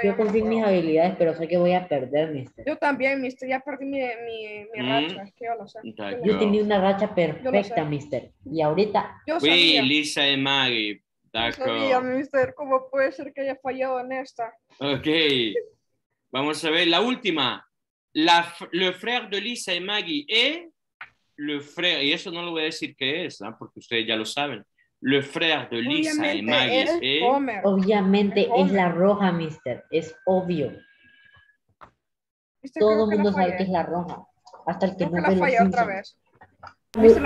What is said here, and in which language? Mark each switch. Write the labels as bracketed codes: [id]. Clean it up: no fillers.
[es] Yo perdí mis habilidades, pero sé que voy a perder, mister. Yo también, mister. Ya perdí mi racha. Que yo tenía una racha perfecta, mister. Y ahorita. Yo sabía. Sí, Lisa y Maggie. No sabía, mister. ¿Cómo puede ser que haya fallado en esta? Ok. Vamos a ver la última. [fr] Le frère de Lisa y Maggie. Le frère. [es] Y eso no lo voy a decir qué es, ¿no? Porque ustedes ya lo saben. [fr] Le frère de [es] Lisa obviamente y Maggie. Es Homer. Obviamente es la roja, mister. Es obvio. Todo el mundo sabe que es la roja. Hasta el que creo no que la falla otra vez. Mister,